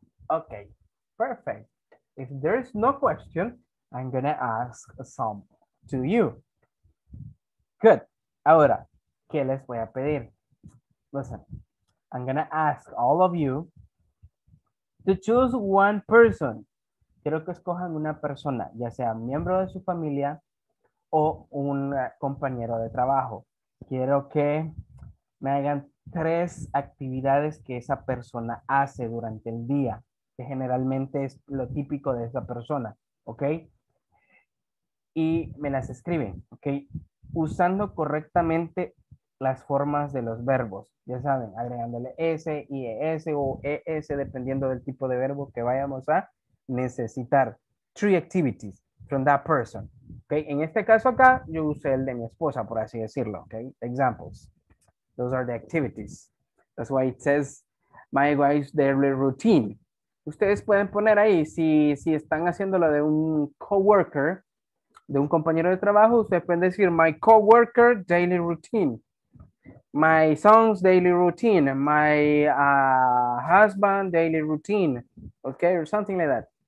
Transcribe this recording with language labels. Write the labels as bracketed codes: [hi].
[en] Okay, perfect. If there is no question, I'm gonna ask some to you. Good. [es] Ahora, ¿qué les voy a pedir? [en] Listen, I'm gonna ask all of you to choose one person. [es] Quiero que escojan una persona, ya sea miembro de su familia o un compañero de trabajo. Quiero que me hagan tres actividades que esa persona hace durante el día, que generalmente es lo típico de esa persona, ¿ok? Y me las escriben, ¿ok? Usando correctamente las formas de los verbos, ya saben, agregándole S, IES o ES, dependiendo del tipo de verbo que vayamos a necesitar. [en] Three activities from that person. [es] Okay? En este caso acá, yo usé el de mi esposa, por así decirlo. [en] Okay? Examples. Those are the activities. That's why it says, my wife's daily routine. [es] Ustedes pueden poner ahí, si están haciendo lo de un coworker, de un compañero de trabajo, ustedes pueden decir, [en] my coworker daily routine. My son's daily routine, my husband daily routine, okay, or something like that.